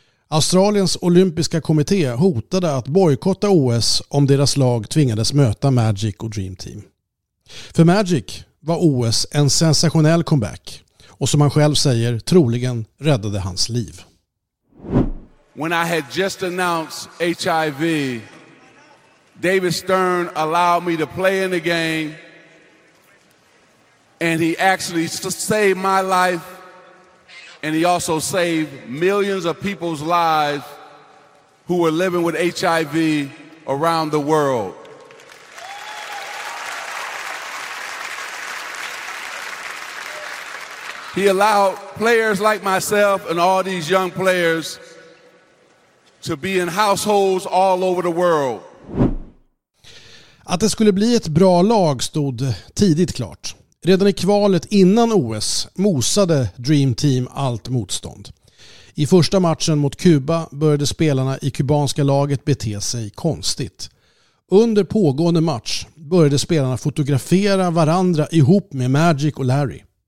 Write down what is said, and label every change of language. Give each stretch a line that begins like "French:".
Swedish: Australiens olympiska kommitté hotade att bojkotta OS om deras lag tvingades möta Magic och Dream Team. För Magic var OS en sensationell comeback. Och som han själv säger, troligen räddade hans liv.
English: When I had just announced HIV, David Stern allowed me to play in the game. And he actually saved my life. And he also saved millions of people's lives who were living with HIV around the world. He allowed players like myself and all these young players to be in households all over the world.
Swedish: Att det skulle bli ett bra lag stod tidigt klart. Redan i kvalet innan OS mosade Dream Team allt motstånd. I första matchen mot Kuba började spelarna i kubanska laget bete sig konstigt. Under pågående match började spelarna fotografera varandra ihop med Magic och Larry.